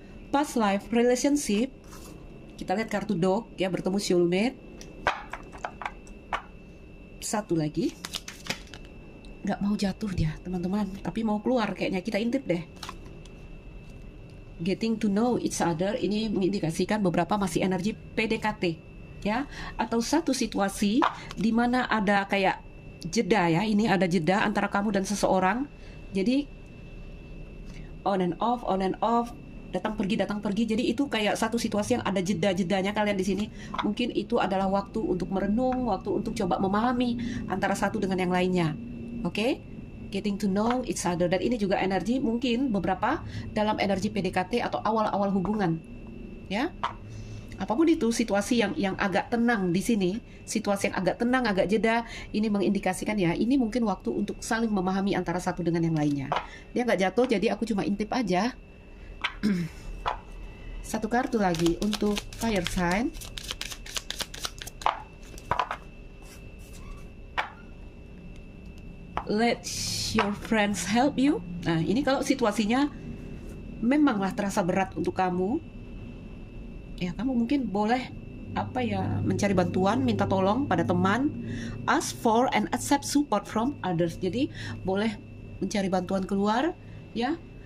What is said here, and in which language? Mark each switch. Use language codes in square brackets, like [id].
[en] Past life, relationship. [id] Kita lihat kartu dog ya, bertemu soulmate. Satu lagi. Nggak mau jatuh dia, teman-teman. Tapi mau keluar kayaknya, kita intip deh. [en] Getting to know each other. [id] Ini mengindikasikan beberapa masih energi PDKT. Ya, atau satu situasi di mana ada kayak jeda ya, ini ada jeda antara kamu dan seseorang. Jadi on and off, datang pergi, jadi itu kayak satu situasi yang ada jeda-jedanya kalian di sini. Mungkin itu adalah waktu untuk merenung, waktu untuk coba memahami antara satu dengan yang lainnya. Oke? Okay? [en] Getting to know each other. [id] Dan ini juga energi mungkin beberapa dalam energi PDKT atau awal-awal hubungan. Ya? Apapun itu situasi yang agak tenang di sini, situasi yang agak tenang, agak jeda, ini mengindikasikan ya, ini mungkin waktu untuk saling memahami antara satu dengan yang lainnya. Dia nggak jatuh, jadi aku cuma intip aja. Satu kartu lagi untuk fire sign. [en] Let your friends help you. [id] Nah, ini kalau situasinya memanglah terasa berat untuk kamu. Ya, kamu mungkin boleh apa ya, mencari bantuan, minta tolong pada teman, [en] ask for and accept support from others. [id] Jadi, boleh mencari bantuan keluar ya.